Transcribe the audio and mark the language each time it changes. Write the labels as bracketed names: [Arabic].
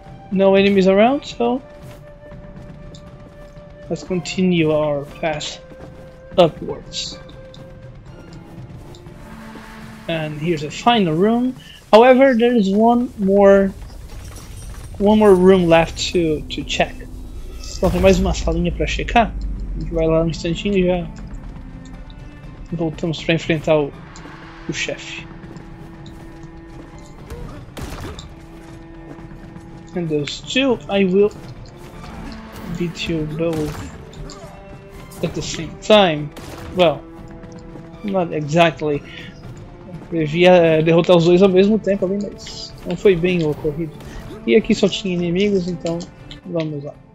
[English] No enemies around, so let's continue our path upwards. And here's a final room. However, there is one more room left to check. [Portuguese] Então tem mais uma salinha para checar. A gente vai lá um instantinho e já voltamos para enfrentar o chefe. [English] And those two, I will beat you both at the same time. Well, not exactly. [Portuguese] Devia derrotar os dois ao mesmo tempo ali, mas não foi bem o ocorrido. E aqui só tinha inimigos, então vamos lá.